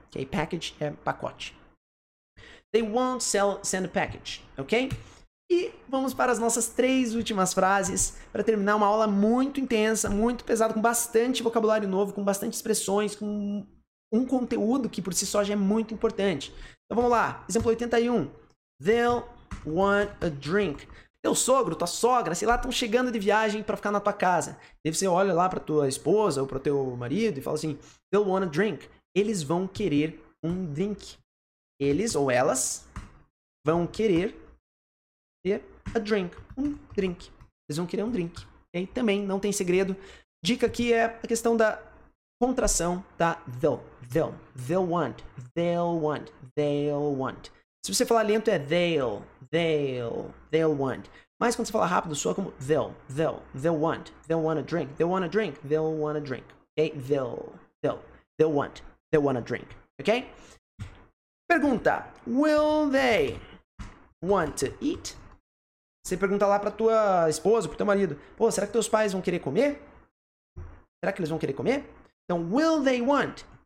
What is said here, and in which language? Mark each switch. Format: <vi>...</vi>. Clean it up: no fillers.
<pt>Okay? Package é pacote.</pt> <en>They won't sell, send a package. Ok?</en> <pt>E vamos para as nossas três últimas frases para terminar uma aula muito intensa, muito pesada, com bastante vocabulário novo, com bastante expressões, com um conteúdo que por si só já é muito importante. Então vamos lá. Exemplo 81.</pt> <en>They'll want a drink.</en> <pt>Teu sogro, tua sogra, sei lá, estão chegando de viagem para ficar na tua casa. Aí você olha lá para tua esposa ou para teu marido e fala assim,</pt> <en>they'll want a drink.</en> <pt>Eles vão querer um drink. Eles ou elas vão querer</pt> <en>a drink.</en> <pt>Um drink. Eles vão querer um drink. E aí também não tem segredo. Dica aqui é a questão da contração, tá?</pt> <en>They'll. They'll. They'll want. They'll want. They'll want.</en> <pt>Se você falar lento é they'll.</pt> <en>They'll, they'll want.</en> <pt>Mas quando você fala rápido, soa como</pt> <en>they'll, they'll, they'll want, they'll want a drink, they'll want a drink, they'll want a drink. Okay? They'll, they'll, they'll want, they'll want a drink. Ok? Pergunta, will they want to eat?</en> <pt>Você pergunta lá pra tua esposa, pro teu marido, pô, será que teus pais vão querer comer? Será que eles vão querer comer?</pt> <en>Então, will they want?</en>